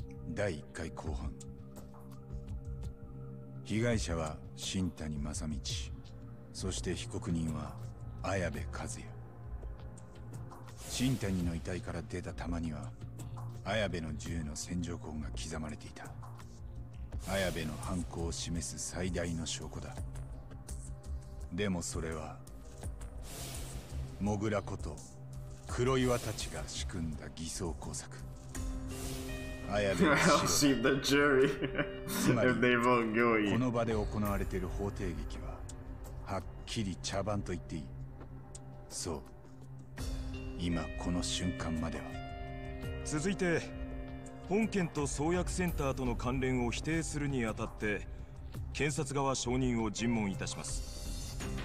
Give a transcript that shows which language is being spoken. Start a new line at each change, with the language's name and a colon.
Japanese: 第1回後半被害者は新谷正道そして被告人は綾部和也新谷の遺体から出た弾には綾部の銃の洗浄痕が刻まれていた綾部の犯行を示す最大の証拠だでもそれはモグラこと黒岩たちが仕組んだ偽装工作
English: I'll see the jury if they vote guilty.
Japanese: この場で行われている法廷劇は、はっきり茶番と言っていい。そう。今この瞬間までは。続いて、本件と創薬センターとの関連を否定するにあたって、検察側証人を尋問いたします。